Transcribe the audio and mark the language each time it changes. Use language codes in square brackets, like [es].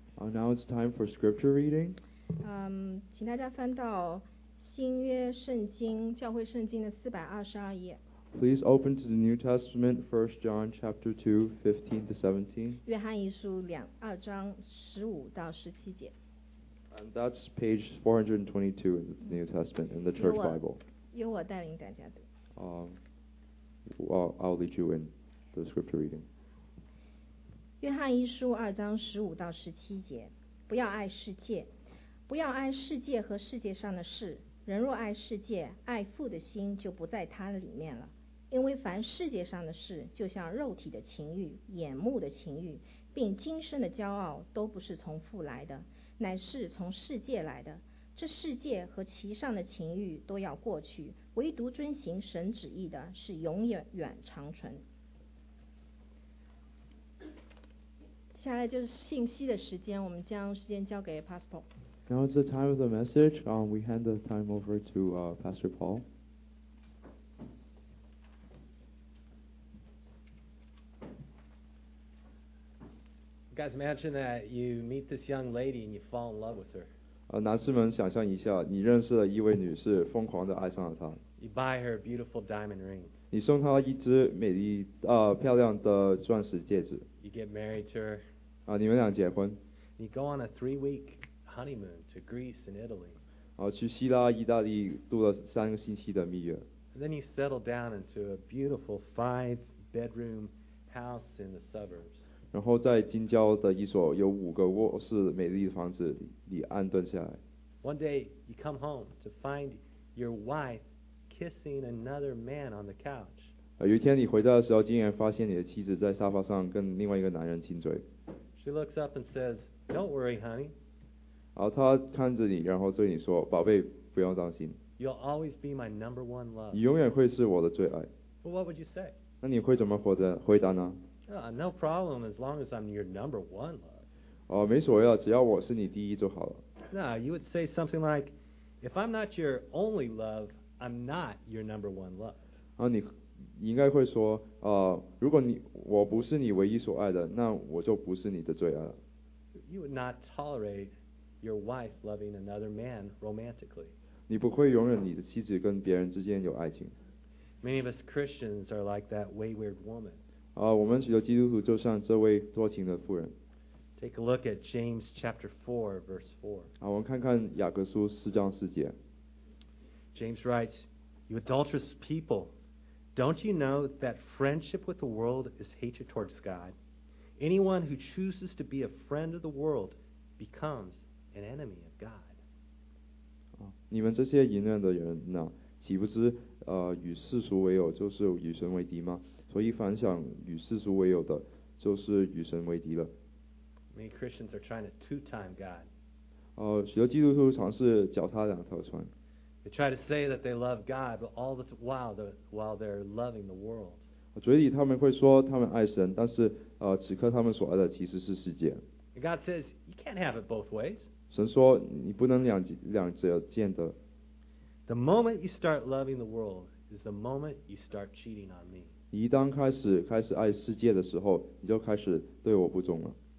[en] Now it's time for scripture reading. [zh] 请大家翻到新约圣经，教会圣经的422页。 [en] Please open to the New Testament, 1 John chapter 2, 15 to 17. [zh] 约翰一书二章15-17节。 [en] And that's page 422 in the New Testament in the Church Bible. [zh] 由我带领大家读。 [en] I'll lead you in the scripture reading. [zh] 约翰一书二章15-17节，不要爱世界，不要爱世界和世界上的事。人若爱世界，爱父的心就不在他里面了。因为凡世界上的事，就像肉体的情欲、眼目的情欲，并今生的骄傲，都不是从父来的，乃是从世界来的。这世界和其上的情欲都要过去，唯独遵行神旨意的是永远长存。接下来就是信息的时间，我们将时间交给 Pastor。 [en] Now it's the time of the message. We hand the time over to Pastor Paul. You guys, imagine that you meet this young lady and you fall in love with her. [zh] 男士们，想象一下，你认识了一位女士，疯狂地爱上了她。 [en] You buy her a beautiful diamond ring. [zh] 你送她一只美丽漂亮的钻石戒指。 [en] You get married to her. [zh] 你们俩结婚。 [en] You go on a 3-week honeymoon to Greece and Italy. [zh] 去希腊、意大利度了三个星期的蜜月。 [en] And then you settle down into a beautiful 5-bedroom house in the suburbs. [zh] 然后在京郊的一所有五个卧室美丽的房子里安顿下来。 [en] One day you come home to find your wife kissing another man on the couch. [zh] 有一天你回家的时候，竟然发现你的妻子在沙发上跟另外一个男人亲嘴。 [en] She looks up and says, "Don't worry, honey." [zh] 她看着你，然后对你说，宝贝，不要担心。 [en] You'll always be my number one love. [zh] 你永远会是我的最爱。 [en] But what would you say? [zh] 那你会怎么回答呢？ [en] No problem, as long as I'm your number one love. [zh] 没所谓了，只要我是你第一就好了。 [en] No, you would say something like, if I'm not your only love,I'm not your number one love. [zh] 你应该会说，如果我不是你唯一所爱的，那我就不是你的最爱了。 [en] You would not tolerate your wife loving another man romantically. [zh] 你不会容忍你的妻子跟别人之间有爱情。 [en] Many of us Christians are like that wayward woman. [zh] 我们许多基督徒就像这位多情的妇人。 [en] Take a look at James chapter 4, verse 4. [zh] 我们看看雅各书四章四节。 [en] James writes, "You adulterous people, don't you know that friendship with the world is hatred towards God? Anyone who chooses to be a friend of the world becomes an enemy of God." [zh] 你们这些淫乱的人呐，岂不知与世俗为友就是与神为敌吗？所以凡想与世俗为友的，就是与神为敌了。 [en] Many Christians are trying to two-time God. [zh] 许多基督徒尝试脚踏两条船。 [en] They try to say that they love God, but all the while they're loving the world. [zh] 嘴里他们会说他们爱神，但是此刻他们所爱的其实是世界。 [en] And God says you can't have it both ways. [zh] 神说你不能两者兼得。 [en] The moment you start loving the world is the moment you start cheating on me. [zh] 你一旦开始爱世界的时候，你就开始对我不忠了。